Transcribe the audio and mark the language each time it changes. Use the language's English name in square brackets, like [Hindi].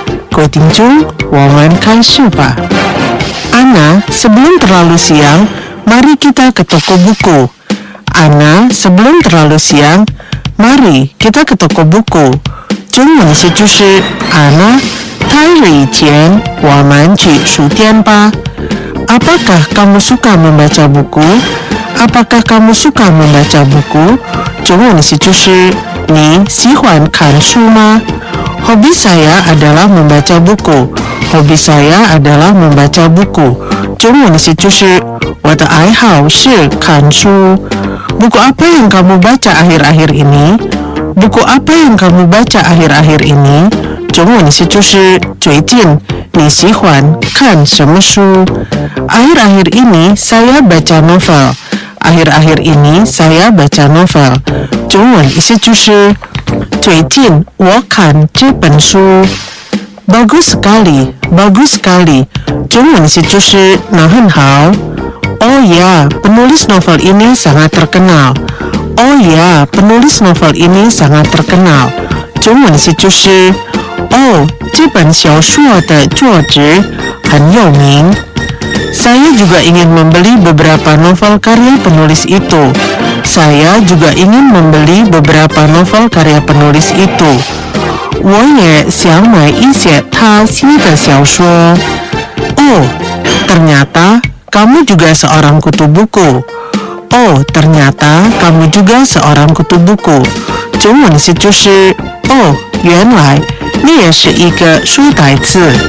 [Chinese] 各位听众，我们开始吧。 [Indonesian] Anna， sebelum terlalu siang， mari kita ke toko buku。 Anna， sebelum terlalu siang， mari kita ke toko buku。 [Chinese] 中文是就是 Anna， 太晚以前，我们去书店吧。 [Indonesian] Apakah kamu suka membaca buku? Apakah kamu suka membaca buku? [Chinese] 中文的词就是你喜欢看书吗？ [Indonesian] Hobi saya adalah membaca buku. Hobi saya adalah membaca buku. [Chinese] 中文的词就是我的爱好是看书。 [Indonesian] Buku apa yang kamu baca akhir-akhir ini? Buku apa yang kamu baca akhir-akhir ini? [Chinese] 中文的词就是最近你喜欢看什么书？ [Indonesian] Akhir-akhir ini saya baca novel. Akhir-akhir ini saya baca novel. [Chinese] 中文意思就是最近我看这本书。 [Indonesian] Bagus sekali, bagus sekali. [Chinese] 中文意思就是那很好。 [Indonesian] Oh ya, penulis novel ini sangat terkenal. Oh ya, penulis novel ini sangat terkenal. [Chinese] 中文意思就是Oh, 这本小说的作者很有名。 [Indonesian] Saya juga ingin membeli beberapa novel karya penulis itu. Saya juga ingin membeli beberapa novel karya penulis itu. [Chinese] 我也想买一些他写的小说。 [Indonesian] Oh, ternyata kamu juga seorang kutu buku. Oh, ternyata kamu juga seorang kutu buku. [Chinese] 中文是就是 Oh, 原来你也是一个书呆子。